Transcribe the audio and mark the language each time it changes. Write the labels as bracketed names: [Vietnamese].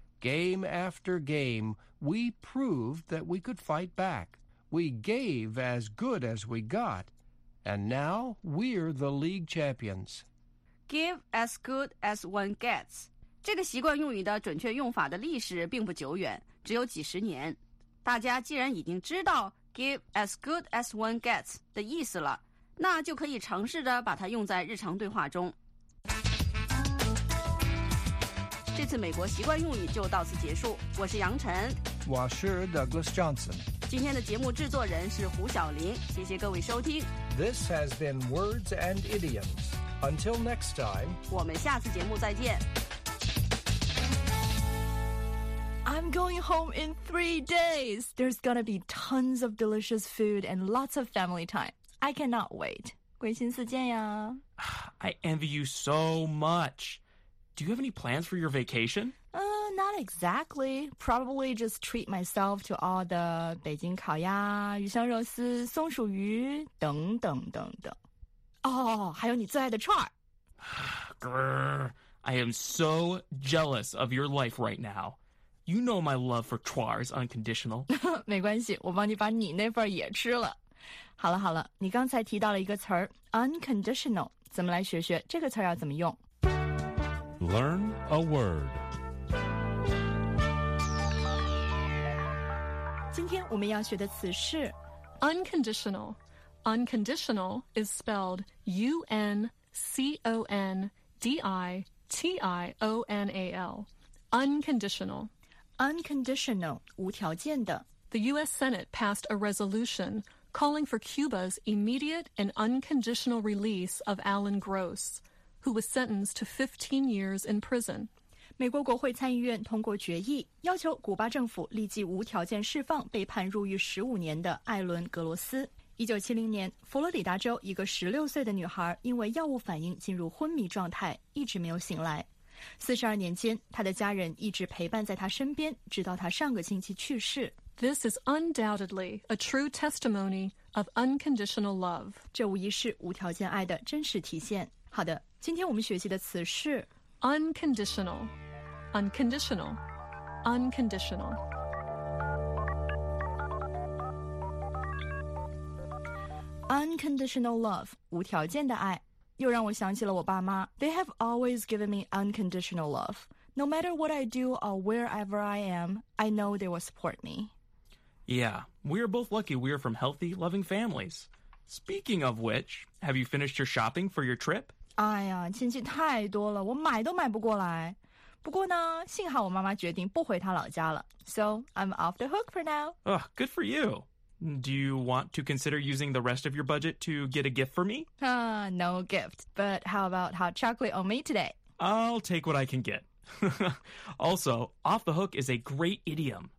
[English] Game after game, we proved that we could fight back. We gave as good as we got. And now we're the league champions. Give as good as one gets. [Chinese] 这个习惯用语的准确用法的历史并不久远，只有几十年。大家既然已经知道 [English] give as good as one gets [Chinese] 的意思了，那就可以尝试着把它用在日常对话中。这次美国习惯用语就到此结束，我是杨晨，我是 Douglas Johnson，今天的节目制作人是胡晓林，谢谢各位收听。 [English] This has been Words and Idioms. Until next time， [Chinese] 我们下次节目再见。 [English] I'm going home in 3 days. There's gonna be tons of delicious food and lots of family time. I cannot wait. [Chinese] 鬼心似箭呀。 [English] I envy you so much. Do you have any plans for your vacation? Not exactly. Probably just treat myself to all the [Chinese] 北京烤鸭、鱼香肉丝、松鼠鱼等等等等。哦、oh, ，还有你最爱的串儿。 [English] Grr, I am so jealous of your life right now. You know my love for串is unconditional. [Chinese] 没关系，我帮你把你那份也吃了。好了好了，你刚才提到了一个词儿 unconditional， 咱们来学学这个词要怎么用。 [English] Learn a word. [Chinese] 今天我们要学的词是 [English] unconditional. Unconditional is spelled UNCONDITIONAL. Unconditional. [Chinese] Unconditional, 无条件的。 [English] The US Senate passed a resolution calling for Cuba's immediate and unconditional release of Alan Gross. Who was sentenced to 15 years in prison. [Chinese] 美国国会参议院通过决议，要求古巴政府立即无条件释放被判入狱15年的艾伦·格罗斯。 1970年，佛罗里达州一个16岁的女孩因为药物反应进入昏迷状态，一直没有醒来。 42年间，她的家人一直陪伴在她身边，直到她上个星期去世。 [English] This is undoubtedly a true testimony of unconditional love. [Chinese] 这无疑是无条件爱的真实体现。好的。今天我们学习的词是 [English] unconditional, unconditional, unconditional. [Chinese] unconditional love, 无条件的爱，又让我想起了我爸妈。 [English] They have always given me unconditional love. No matter what I do or wherever I am, I know they will support me. Yeah, we are both lucky we are from healthy, loving families. Speaking of which, have you finished your shopping for your trip? [Chinese] 哎呀，亲戚太多了，我买都买不过来。不过呢，幸好我妈妈决定不回她老家了。 [English] So, I'm off the hook for now. Oh, good for you. Do you want to consider using the rest of your budget to get a gift for me? No gift. But how about hot chocolate on me today? I'll take what I can get. Also, off the hook is a great idiom.